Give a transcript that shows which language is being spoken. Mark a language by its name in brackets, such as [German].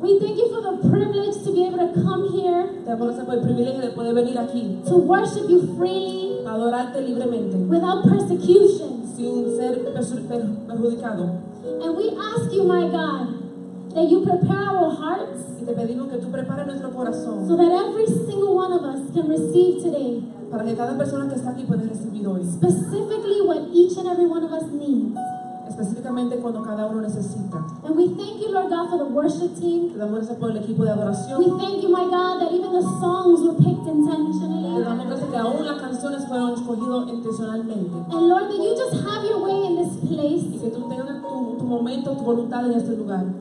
[English] We thank you for the privilege to be able to come here. [Spanish] Te damos por el privilegio de poder venir aquí. [English] To worship you freely. [Spanish] Adorarte libremente. [English] Without persecution. [Spanish] Sin ser perjudicado. [English] And we ask you, my God, that you prepare our hearts. [Spanish] Y te pedimos que tú prepares nuestro corazón. [English] So that every single one of us can receive today. [Spanish] Para que cada persona que está aquí pueda recibir hoy. [English] Specifically, what each and every one of us needs. [Spanish] Específicamente cuando cada uno necesita. [English] And we thank you, Lord God, for the worship team. [Spanish] Te damos gracias por el equipo de adoración. [English] We thank you, my God, that even the songs were picked intentionally. [Spanish] Te damos gracias que aún las canciones fueron escogidas intencionalmente. [English] And Lord, that you just have your way in this place. [Spanish] Y que tú tengas tu momento, tu voluntad en este lugar.